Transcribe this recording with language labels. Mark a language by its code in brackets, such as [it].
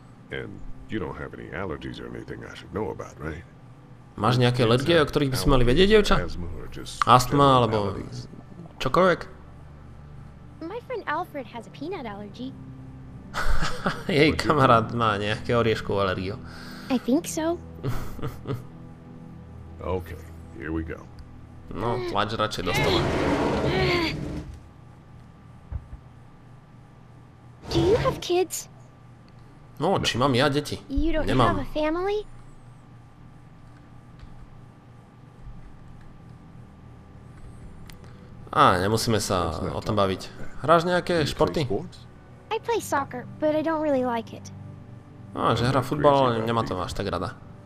[en] And you don't have any allergies or anything I should know about, right? [sk] Máš nejaké alergie, o ktorých by sme mali vedieť, dievča? Astma, alebo čokoľvek? [en] My friend Alfred has a peanut allergy. [sk] Jej kamarát má nejaké orieškovú alergiu. [en] I think so. Okay, here we go. [sk] No, tlač radšej do stola. [en] Do you have kids? [sk] No, či mám ja deti? [en] You don't [sk] Nemám. [en] Have a family? [sk] Á, nemusíme sa o tom baviť. Hráš nejaké športy? [en] I play soccer, but I don't really like it. [sk] Á, že hrá futbal, ale nemá to až tak rada.